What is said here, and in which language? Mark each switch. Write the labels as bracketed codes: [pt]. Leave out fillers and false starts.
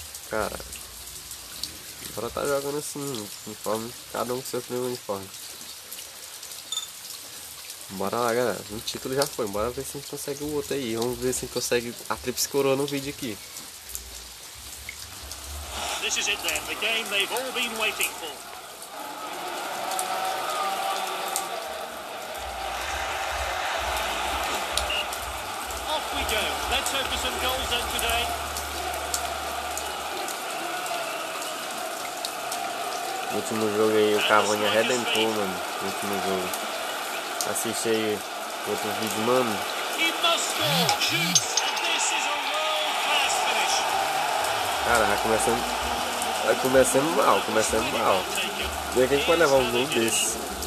[pt] Cara. Bora tá jogando assim, uniforme. Cada um com seu primeiro uniforme. Bora lá, galera. Um título já foi. Bora ver se a gente consegue o outro aí. Vamos ver se a gente consegue a tríplice coroa no vídeo aqui. [en] This is it then, the game they've all been waiting for. Off we go. Let's hope for some goals then today. [pt] No último jogo aí o Cavani arrebentou, mano. No último jogo. Assisti aí outro vídeo, mano. [en] He must score. Shoots. And this is a world-class finish. [pt] Cara, já começando. Vai começando mal, começando mal. E aí, quem pode levar um gol desse?